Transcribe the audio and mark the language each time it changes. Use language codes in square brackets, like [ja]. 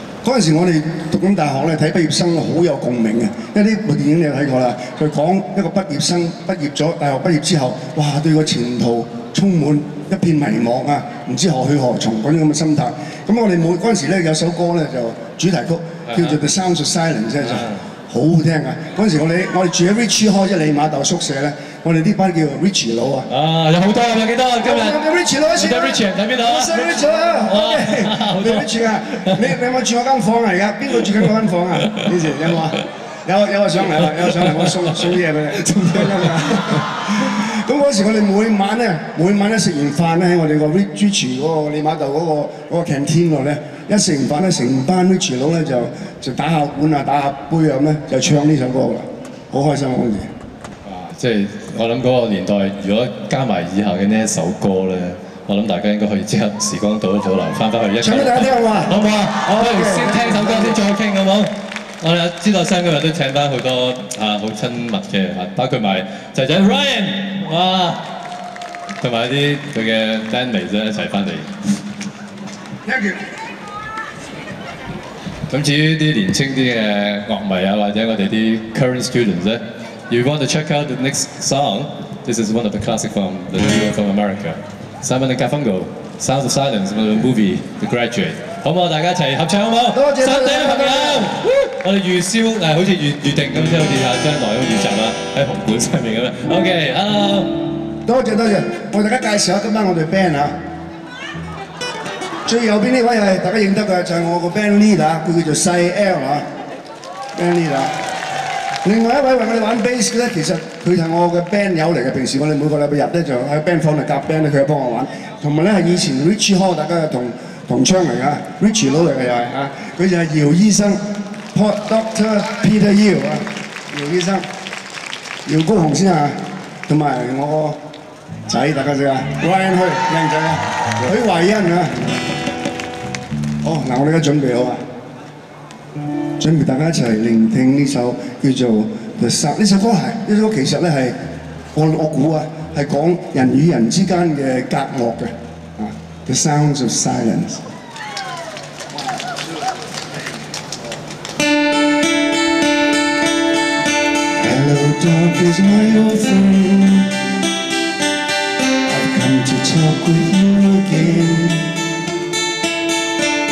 [yue] 嗰陣時我哋讀緊大學咧，睇畢業生好有共鳴嘅，因為呢部電影你睇過啦，佢講一個畢業生畢業咗大學畢業之後，哇，對個前途充滿一片迷茫啊，唔知何去何從嗰啲咁嘅心態。咁我哋每嗰陣時咧有首歌咧就主題曲叫做《The Sounds of Silence》啫。好好聽啊！嗰時我哋住喺 Richie 開即係李馬竇宿舍咧，我哋呢班叫 Richie 佬啊！啊，有好多，有幾多今日？有 Richie 佬先啦 ，Richie 喺邊度啊？我識 Richie 啦 ，OK， 好 Richie 啊！你有冇住我間房啊？而家邊個住緊嗰間房啊？以前有冇啊？有啊上嚟啦，有上嚟，我送嘢俾你，仲聽緊啊！咁嗰時我哋每晚咧食完飯咧喺我哋個 Richie 嗰個李馬竇嗰個 canteen 度咧。一食完飯咧，成班啲廚佬咧就打下碗啊，打下杯咁咧，就唱呢首歌啦，好開心嗰陣時。哇！即係我諗嗰個年代，如果加埋以下嘅呢一首歌咧，我諗大家應該可以即刻時光倒一倒流翻返去一。唱俾大家聽好唔好啊？好唔好啊？不如先聽首歌先再傾好唔好？我哋知道 Sam 今日都請翻好多好親密嘅包括埋仔仔 Ryan 哇，同埋啲佢嘅 Danny 一齊翻嚟。 [en] Thank you。 [yue] 咁至於啲年青啲嘅樂迷啊，或者我哋啲 current students 咧 ， [en] you want to check out the next song? This is one of the classic from the movie from America, Simon and Garfunkel, Sound of Silence from the movie The Graduate。 [yue] 好唔好？大家一齊合唱好唔好？多謝三位朋友。我哋預銷好似預定咁，即係好似阿張來咁預集啦，喺紅館上面咁樣。 [en] OK，Hello。 [yue] 多謝，我大家介紹下今晚我哋 band 啊。最右邊呢位係大家認得嘅，就係我個 band leader， 佢叫做細 L 啊 ，band leader。另外一位為我哋玩 bass 咧，其實佢係我嘅 band 友嚟嘅。平時我哋每個禮拜日咧就喺 band 房度夾 band 咧，佢又幫我玩。同埋咧係以前 Richie Hall 大家嘅同窗嚟噶 ，Richie 佬嚟嘅又係嚇。佢就係姚醫生 ，Doctor Peter Yeo 啊，姚醫生，姚高雄先啊，同埋我個仔大家識啊 ，Ryan 去靚仔啊，許懷恩啊。好，我哋而家準備好啊！準備大家一齊聆聽呢首叫做《The Sun》呢首歌係呢首歌其實咧係我估啊，係講人與人之間嘅隔膜嘅啊。 [en] The Sounds of Silence. Hello, dark is my old friend. I've come to talk with you again.